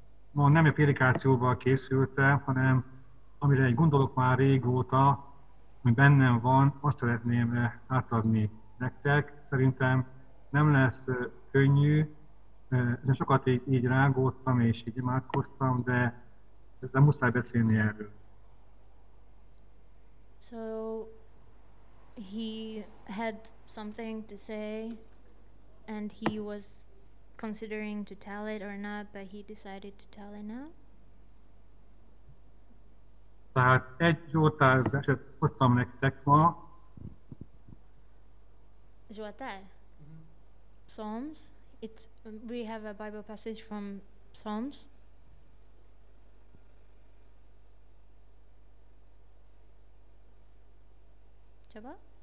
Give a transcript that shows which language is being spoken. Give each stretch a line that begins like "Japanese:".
Hungarian: Ma nem a prédikációval készültem, hanem amire egy gondolok már régóta, ami bennem van, azt szeretném átadni nektek. Szerintem nem lesz könnyű. Ezen sokat így rágódtam, és így imádkoztam, de nem muszáj beszélni erről.
English: So, he had something to say, and he was considering to tell it or not, but he decided to tell it now.
Hungarian: Tehát egy zsoltár verset hoztam nektek ma. Zsoltár? Mm-hmm.
English: Psalms? It's we have a Bible passage from Psalms. Chaba?